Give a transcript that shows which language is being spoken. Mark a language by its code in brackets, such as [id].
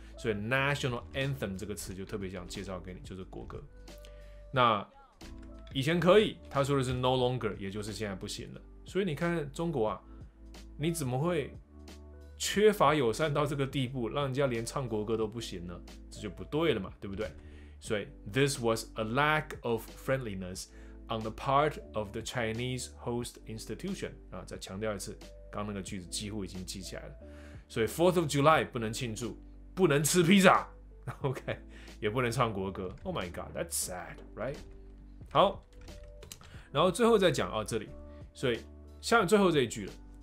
[zh] 所以 national anthem 这个词就特别想介绍给你，就是国歌。那以前可以，他说的是 [en] no longer， [zh] 也就是现在不行了。所以你看中国啊，你怎么会缺乏友善到这个地步，让人家连唱国歌都不行呢？这就不对了嘛，对不对？ [en] 所以 this was a lack of friendliness on the part of the Chinese host institution。 [zh] 再强调一次，刚那个句子几乎已经记起来了。所以 4th of July 不能庆祝，不能吃披萨 ，OK， 也不能唱国歌。 [en] Oh my god, that's sad, right？ [zh] 好，然后最后再讲这里，所以像最后这一句了。